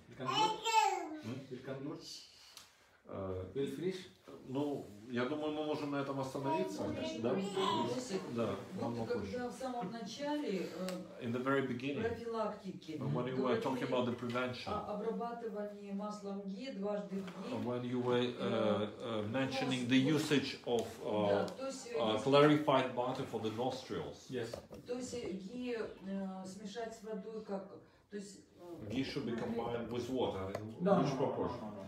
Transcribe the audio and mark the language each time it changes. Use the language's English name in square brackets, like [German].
[English] We'll conclude. We'll finish. [Russian] Ну, я думаю, мы можем на этом остановиться, да? Да, намного позже. Когда в самом начале, [English] in the very beginning, [Russian] профилактики, [English] when you were talking about the prevention, [Russian] обрабатывание маслом ги дважды в день, [English] when you were mentioning the usage of clarified butter for the nostrils, yes, [Russian] то есть ги смешать с водой как, то есть [English] ghee should be combined with water in which proportion?